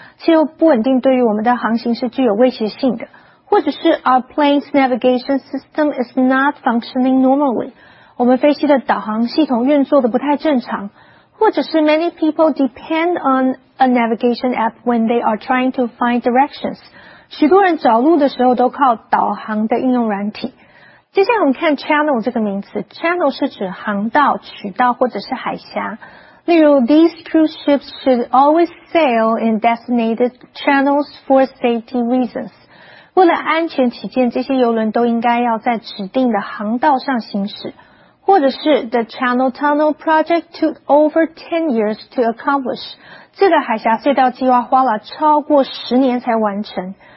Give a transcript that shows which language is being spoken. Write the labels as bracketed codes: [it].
[zh] 气候不稳定对于我们的航行是具有威胁性的。或者是 [en] our plane's navigation system is not functioning normally. [zh] 我们飞机的导航系统运作的不太正常。或者是 [en] many people depend on a navigation app when they are trying to find directions. [zh] 许多人找路的时候都靠导航的应用软体。接下来我们看 channel 这个名词。channel 是指航道、渠道或者是海峡。例如 [en] these cruise ships should always sail in designated channels for safety reasons. [zh] 为了安全起见，这些游轮都应该要在指定的航道上行驶。或者是 [en] the Channel Tunnel Project took over 10 years to accomplish. [zh] 这个海峡隧道计划花了超过10年才完成。